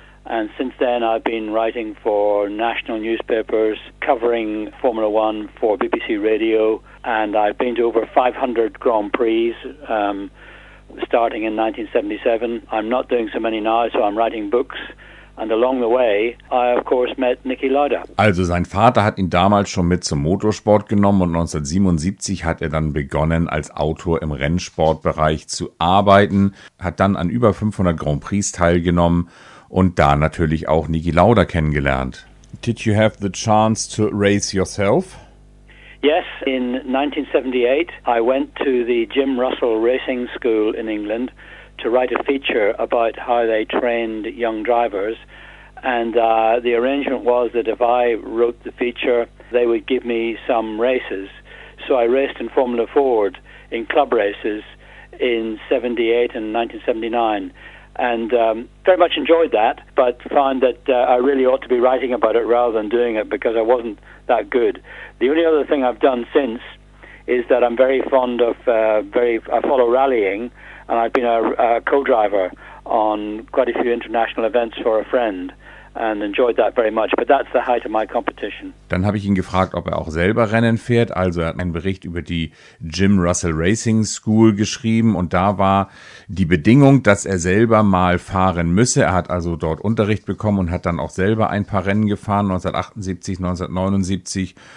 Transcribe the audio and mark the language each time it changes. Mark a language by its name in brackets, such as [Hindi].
[English] And since then, I've been writing for national newspapers, covering Formula One for BBC Radio. And I've been to over 500 Grand Prix starting in 1977. I'm not doing so many now, so I'm writing books. And along the way, I of course met Niki Lauda. [German] Also sein Vater hat ihn damals schon mit zum Motorsport genommen und 1977 hat er dann begonnen, als Autor im Rennsportbereich zu arbeiten, hat dann an über 500 Grand Prix teilgenommen und da natürlich auch Niki Lauda kennengelernt. [English] Did you have the chance to race yourself? Yes, in 1978 I went to the Jim Russell Racing School in England to write a feature about how they trained young drivers. And the arrangement was that if I wrote the feature, they would give me some races. So I raced in Formula Ford in club races in 78 and 1979. And very much enjoyed that, but found that I really ought to be writing about it rather than doing it because I wasn't that good. The only other thing I've done since is that I'm very fond of, I follow rallying, and I've been a co-driver on quite a few international events for a friend and enjoyed that very much. But that's the height of my competition. [German] Dann habe ich ihn gefragt, ob er auch selber Rennen fährt. Also er hat einen Bericht über die Jim Russell Racing School geschrieben und da war die Bedingung, dass er selber mal fahren müsse. Er hat also dort Unterricht bekommen und hat dann auch selber ein paar Rennen gefahren, 1978, 1979.